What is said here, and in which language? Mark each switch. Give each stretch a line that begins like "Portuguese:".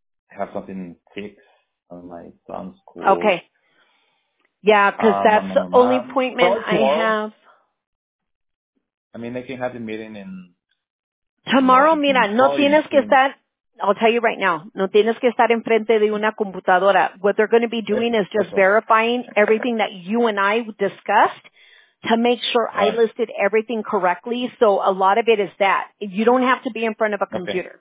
English: I have something fixed on my son's call. Okay. Yeah, because that's the only appointment I have. I mean, they can have the meeting in... Tomorrow,
Spanish: mira, no tienes que estar...
English: I'll tell you right now.
Spanish: No tienes que estar enfrente de una computadora.
English: What they're going to be doing is just verifying everything that you and I discussed to make sure I listed everything correctly. So a lot of it is that. You don't have to be in front of a computer.